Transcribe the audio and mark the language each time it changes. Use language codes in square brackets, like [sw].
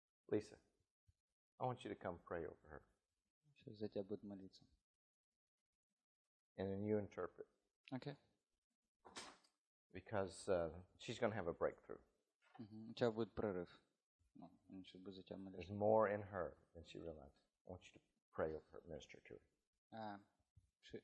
[en] Lisa, I want you to come pray over her. [ru] Сейчас за тебя буду молиться. [en] And then you interpret. Okay. Because she's going to have a breakthrough. [ru] Mm-hmm. У тебя будет прорыв. Ну, я сейчас буду за тебя молиться. [en] There's more in her than she realized. I want you to pray over her, minister to her.